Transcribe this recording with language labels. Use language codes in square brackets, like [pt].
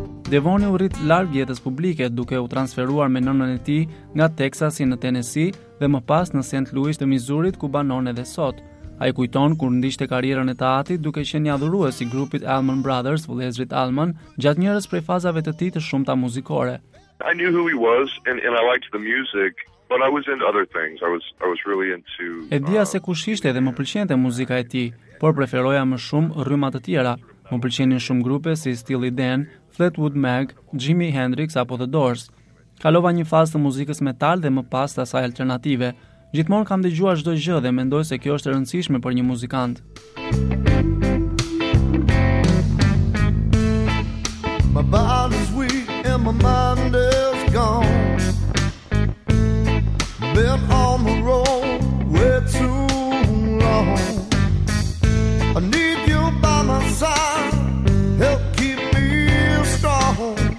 [sq] Devoni u rrit larg jetës publike duke u transferuar me nënën e tij nga Texasi në Tennessee dhe më pas në St. Louis të Missourit ku banon edhe sot. Ai kujton kur ndiqte karrierën e teatrit duke qenë adhurues i grupit Allman Brothers, vëllezrit Allman, gjatë njërës prej fazave të tij të shumta muzikore. [en] I knew who he was and I liked the music. But I was into other things. I was really into [sq] E dija se kush ishte dhe më pëlqente muzika e tij, por preferoja më shumë rrymat të tjera. Më pëlqenin shumë grupe si Steely Dan, Fleetwood Mac, Jimi Hendrix apo The Doors. Kalova një fazë të muzikës metal dhe më pas të asaj alternative. Gjithmonë kam dëgjuar çdo gjë dhe mendoj se kjo është e rëndësishme për një muzikant. [en] My body's weak and my mind is gone. Been on the road way too long. I need you by my side, help keep me strong.